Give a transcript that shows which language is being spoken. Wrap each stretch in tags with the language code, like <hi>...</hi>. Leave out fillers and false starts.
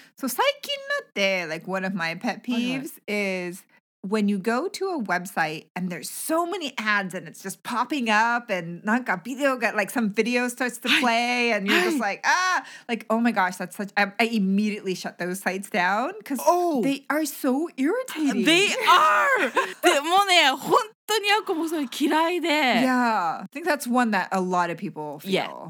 <en>So,</en> <ja>最近のって,</ja> <en>like one of my pet peeves is when you go to a website and there's so many ads and it's just popping up and</en> <ja>なんかビデオが,</ja> <en>like some video starts to play and you're just like, ah, like, oh my gosh, that's such, I immediately shut those sites down because they are so irritating. They are!</en> <ja>でもね、本当本当にアコもそれ嫌いで</ja> <en>Yeah, I think that's one that a lot of people feel.</en>